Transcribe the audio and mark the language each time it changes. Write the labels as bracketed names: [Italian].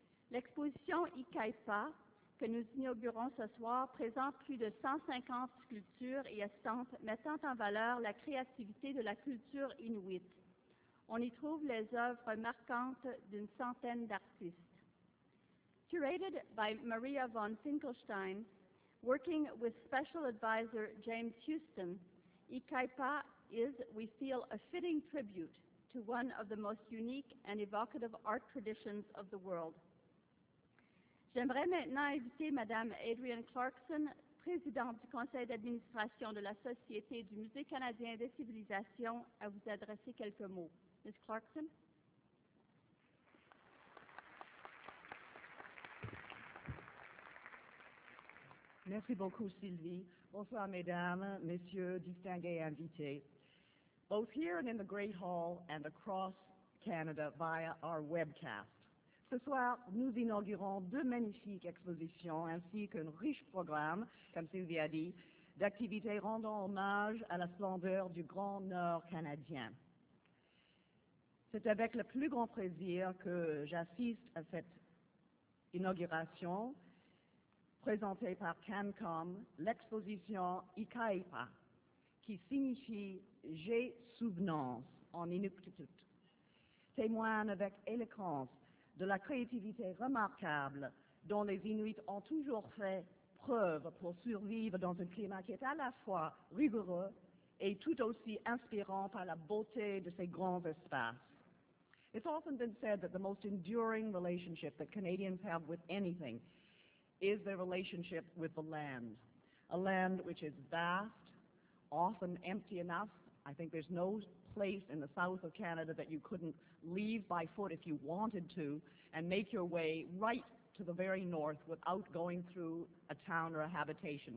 [French] L'exposition Ikaipa, que nous inaugurons ce soir, présente plus de 150 sculptures et estampes mettant en valeur la créativité de la culture inuit. On y trouve les œuvres marquantes d'une centaine d'artistes. [English] Curated by Maria von Finkelstein, working with special advisor James Houston, Ikaipa is, we feel, a fitting tribute to one of the most unique and evocative art traditions of the world. [French] J'aimerais maintenant inviter Madame Adrienne Clarkson, présidente du conseil d'administration de la Société du Musée canadien des civilisations, à vous adresser quelques mots. [English] Ms. Clarkson. [French] Merci beaucoup, Sylvie. Bonsoir, mesdames, messieurs, distingués invités. [English] Both here and in the Great Hall and across Canada via our webcast. [French] Ce soir, nous inaugurons deux magnifiques expositions ainsi qu'un riche programme, comme Sylvie a dit, d'activités rendant hommage à la splendeur du Grand Nord canadien. C'est avec le plus grand plaisir que j'assiste à cette inauguration présentée par CANCOM, l'exposition Ikaipa, qui signifie « J'ai souvenance » en Inuktitut, témoigne avec éloquence de la créativité remarquable dont les Inuits ont toujours fait preuve pour survivre dans un climat qui est à la fois rigoureux et tout aussi inspirant par la beauté de ces grands espaces. [English] It's often been said that the most enduring relationship that Canadians have with anything is their relationship with the land, a land which is vast, often empty enough. I think there's no place in the south of Canada that you couldn't leave by foot if you wanted to and make your way right to the very north without going through a town or a habitation.